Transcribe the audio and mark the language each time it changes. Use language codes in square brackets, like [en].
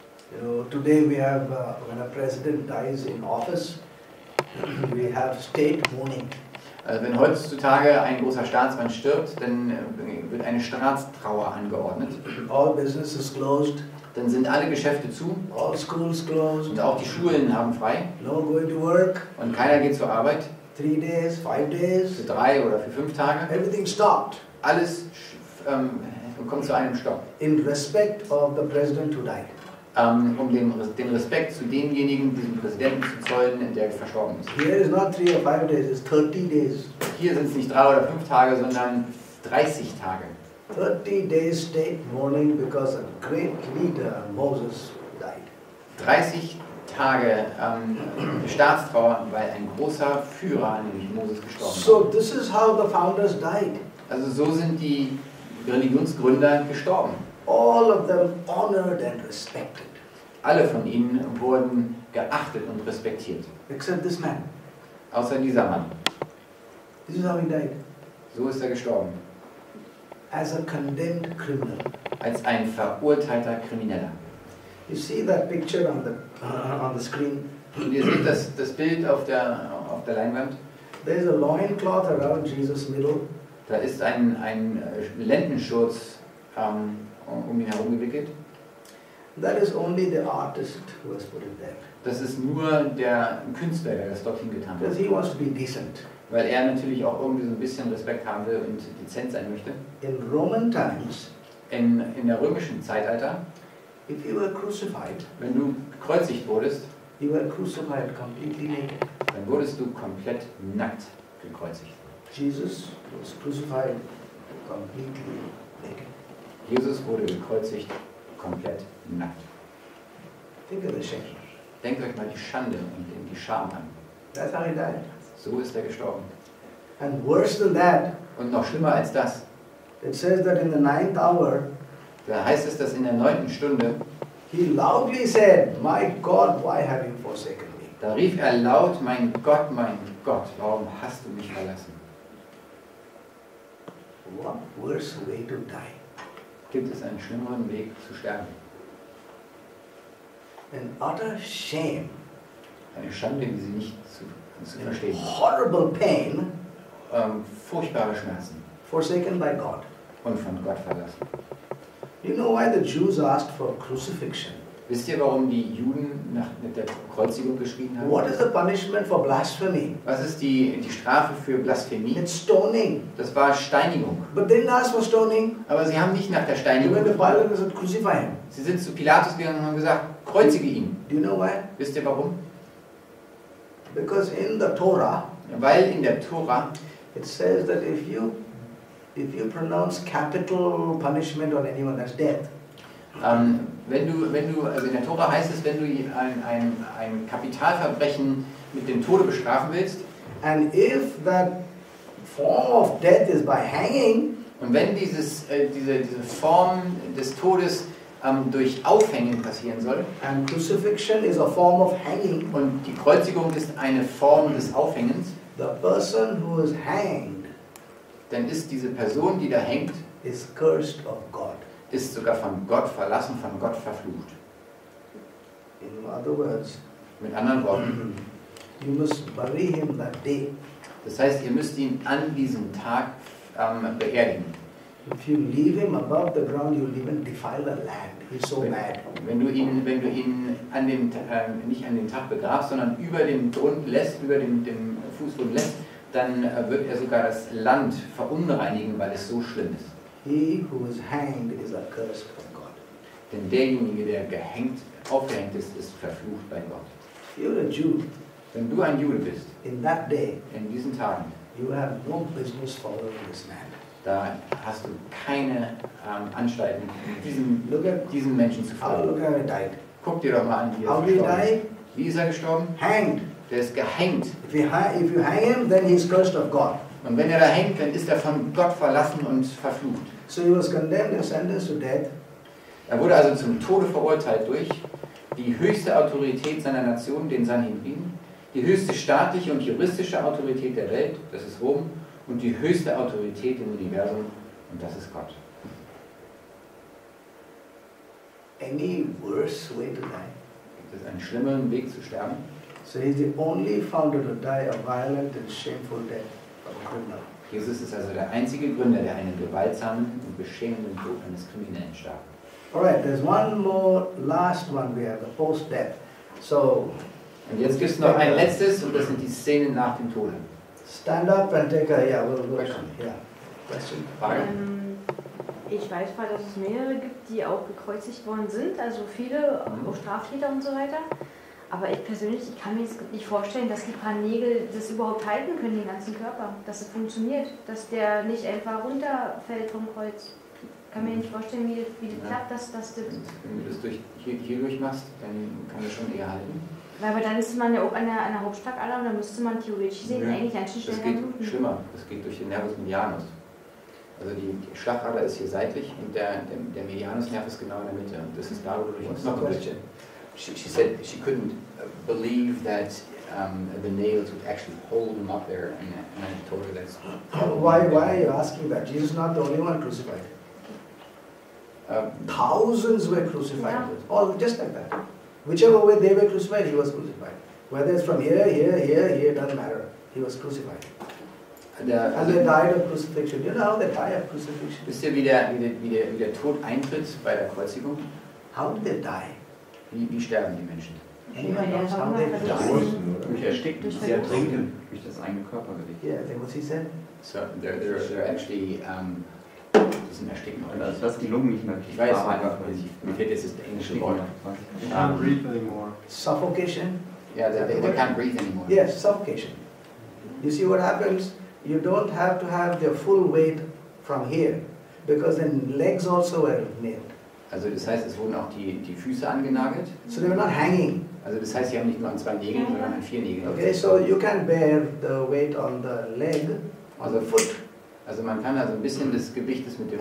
[en] You know, today we have, when a president dies in office, we have state mourning. [de] Also wenn heutzutage ein großer Staatsmann stirbt, dann wird eine Staatstrauer angeordnet. [en] All business is closed. [de] Dann sind alle Geschäfte zu. [en] All schools closed. [de] Und auch die Schulen haben frei. [en] No going to work. [de] Und keiner geht zur Arbeit. [en] 3 days, 5 days. [de] Für 3 oder für 5 Tage. [en] Everything stopped. [de] Alles kommt zu einem Stopp. [en] In respect of the president who died. [de] Um den Respekt zu demjenigen, diesem Präsidenten zu zollen, der verstorben ist. [en] Here is not 3 or 5 days, it's 30 days. [de] Hier sind es nicht 3 oder 5 Tage, sondern 30 Tage. [en] 30 days state mourning because a great leader, Moses, died. [de] 30 Tage Staatstrauer, weil ein großer Führer, nämlich Moses, gestorben ist. [en] So this is how the founders died. [de] Also so sind die Religionsgründer gestorben. [en] All of them honored and respected. [de] Alle von ihnen wurden geachtet und respektiert. [en] Except this man. [de] Außer dieser Mann. [en] This is how he died. [de] So ist er gestorben. [en] As a condemned criminal. [de] Als ein verurteilter Krimineller. [en] You see that picture on the screen. [de] Und ihr seht das Bild auf der Leinwand. [en] There is a loincloth around Jesus' middle. [de] Da ist ein Lendenschurz um ihn herum gewickelt. [en] That is only the artist who has put it there. [de] Das ist nur der Künstler, der das dorthin getan hat. [en] Because he wants to be decent. [de] Weil natürlich auch irgendwie so ein bisschen Respekt haben will und dezent sein möchte. [en] In Roman times. [de] In der römischen Zeitalter. [en] If you were crucified. [de] Wenn du gekreuzigt wurdest. [en] You were crucified completely naked. [de] Dann wurdest du komplett nackt gekreuzigt. [en] Jesus was crucified completely naked. [de] Jesus wurde gekreuzigt komplett nackt. [en] Think of the shame. [de] Denkt euch mal die Schande und die Scham an. [en] That's how he died. [de] So ist er gestorben. [en] And worse than that. [de] Und noch schlimmer als das. [en] It says that in the ninth hour. [de] Da heißt es, dass in der neunten Stunde. [en] He loudly said, "My God, why have you forsaken me?" [de] Da rief er laut, mein Gott, warum hast du mich verlassen? [en] What worse way to die? [de] Gibt es einen schlimmeren Weg zu sterben? [en] An utter shame. [de] Eine Schande, die sie nicht zu verstehen. [en] Horrible pain. [de] Furchtbare Schmerzen. [en] Forsaken by God. [de] Und von Gott verlassen. [en] You know why the Jews asked for crucifixion? [de] Wisst ihr, warum die Juden nach mit der Kreuzigung geschrien haben? [en] What is the punishment for blasphemy? [de] Was ist die Strafe für Blasphemie? [en] It's stoning. [de] Das war Steinigung. [en] But they didn't ask for stoning. [de] Aber sie haben nicht nach der Steinigung gefragt. Sie sind zu Pilatus gegangen und haben gesagt, kreuzige ihn. [en] Do you know why? [de] Wisst ihr, warum? [en] Because in the Torah. [de] Weil in der Tora. [en] It says that if you pronounce capital punishment on anyone, that's death. [de] Wenn du in der Tora heißt es, wenn du ein Kapitalverbrechen mit dem Tode bestrafen willst, [en] and if that form of death is by hanging, [de] und wenn diese Form des Todes durch Aufhängen passieren soll, [en] and crucifixion is a form of hanging, [de] und die Kreuzigung ist eine Form des Aufhängens, [en] the person who is hanged, [de] dann ist diese Person, die da hängt, [en] is cursed of God. [de] Ist sogar von Gott verlassen, von Gott verflucht. [en] In other words, [de] mit anderen Worten, [en] you must bury him that day. [de] Das heißt, ihr müsst ihn an diesem Tag beerdigen. [en] If you leave him above the ground, you'll even defile the land. He's so mad. [de] Wenn du ihn an dem nicht an dem Tag begrabst, sondern über dem Grund lässt, über dem Fußboden lässt, dann wird er sogar das Land verunreinigen, weil es so schlimm ist. [en] He who is hanged is accursed by God. [de] Denn derjenige, der gehängt, aufgehängt ist, ist verflucht bei Gott. [en] You're a Jew. [de] Wenn du ein Jude bist, [en] in that day, [de] in diesen Tagen, [en] you have no business following this man. [de] Da hast du keine Anstalten, diesen Menschen zu folgen. [en] Look how he died. [de] Guck dir doch mal an, wie er [en] how [de] gestorben [en] he [de] ist. Wie ist er gestorben? [en] Hanged. [de] Der ist gehängt. [en] If you hang him, then he's cursed of God. [de] Und wenn er da hängt, dann ist er von Gott verlassen und verflucht. [en] So he was condemned and sentenced to death. [de] Er wurde also zum Tode verurteilt durch die höchste Autorität seiner Nation, den Sanhedrin, die höchste staatliche und juristische Autorität der Welt, das ist Rom, und die höchste Autorität im Universum, und das ist Gott. [en] Any worse way to die? [de] Gibt es einen schlimmeren Weg zu sterben? [en] So he's the only founder to die a violent and shameful death. [de] Jesus ist also der einzige Gründer, der einen gewaltsamen und beschämenden Tod eines Kriminellen starb. [en] Alright, there's one more last one we have, the post-death. So, [de] und jetzt gibt es noch ein letztes und das sind die Szenen nach dem Tode. [en] Stand up and take a, yeah, we'll go. Question. Yeah. Question. [de] Ich weiß mal, dass es mehrere gibt, die auch gekreuzigt worden sind, also viele, auch Straftäter und so weiter. Aber ich persönlich, ich kann mir jetzt nicht vorstellen, dass die paar Nägel das überhaupt halten können, den ganzen Körper, dass es funktioniert, dass der nicht einfach runterfällt vom Kreuz. Ich kann mir nicht vorstellen, wie das klappt, dass das... Wenn du das hier durchmachst, dann kann das schon eher halten. Weil aber dann ist man ja auch an der Hauptschlagader und dann müsste man theoretisch sehen, eigentlich ein Schicht. Das geht schlimmer, das geht durch den Nervus medianus. Also die Schlagader ist hier seitlich und der Medianusnerv ist genau in der Mitte. Und das ist da, wo du durch den [en] She said she couldn't believe that the nails would actually hold him up there, and I told her that's... Why are you asking that? Jesus is not the only one crucified. Thousands were crucified. Yeah. All just like that. Whichever way they were crucified, he was crucified. Whether it's from here, doesn't matter. He was crucified. And they died of crucifixion. Do you know how they die of crucifixion? [de] Wisst ihr, wie der Tod eintritt bei der Kreuzigung? [en] How did they die? [de] Wie sterben die Menschen? [en] Suffocation? Yeah, they can't breathe anymore. Yes, suffocation. You see what happens? You don't have to have their full weight from here, because then legs also were nailed. [de] Also das heißt, es wurden auch die Füße angenagelt. [en] So they were not hanging. [de] Also das heißt, sie haben nicht nur an zwei Nägeln, sondern an vier Nägeln. [en] Okay, so you can bear the weight on the leg, [de] also [en] the foot. [de] Also man kann also ein bisschen des Gewichtes mit dem